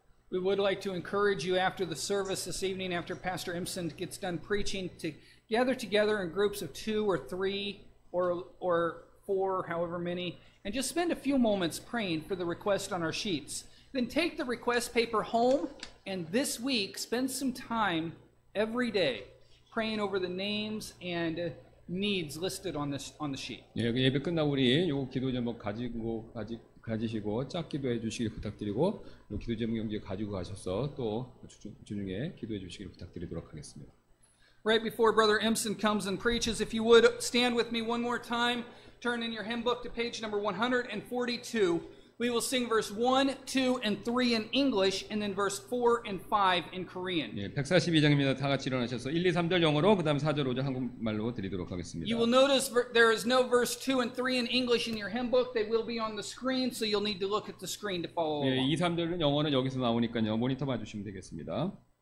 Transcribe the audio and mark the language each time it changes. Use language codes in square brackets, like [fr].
[en] We would like to encourage you after the service this evening, after Pastor Imson gets done preaching, to gather together in groups of two or three or four, however many, and just spend a few moments praying for the request on our sheets. Then take the request paper home, and this week spend some time every day praying over the names and needs listed on this on the sheet. [ko] 예, 예배 끝나고 우리 요 기도 제목 가지고 가지시고 짝기도 해주시길 부탁드리고 기도 제목 용지 가지고 가셔서 또 주중에 기도해 주시길 부탁드리도록 하겠습니다. [en] Right before Brother Imson comes and preaches, if you would stand with me one more time, turn in your hymn book to page number 142. We will sing verse 1, 2, and 3 in English, and then verse 4 and 5 in Korean. [ko] 예, 142장입니다. 다 같이 일어나셔서 1, 2, 3절 영어로, 그 다음 4절, 5절 한국말로 드리도록 하겠습니다. [en] You will notice there is no verse 2 and 3 in English in your hymn book. They will be on the screen, so you'll need to look at the screen to follow along. [ko] 예, 2, 3절은 영어는 여기서 나오니까요. 모니터 봐주시면 되겠습니다.